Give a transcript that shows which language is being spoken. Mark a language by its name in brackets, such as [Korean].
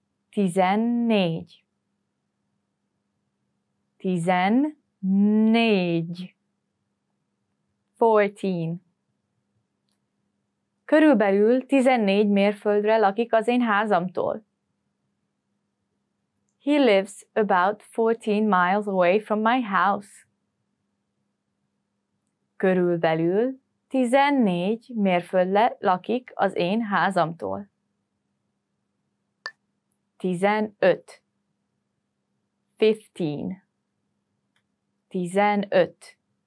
[Hungarian] 14. 14. Körülbelül 14 mérföldre lakik az én házamtól. [English] He lives about 14 miles away from my house. [Hungarian] Körülbelül 14 mérföldre lakik az én házamtól. 15. 15. 15.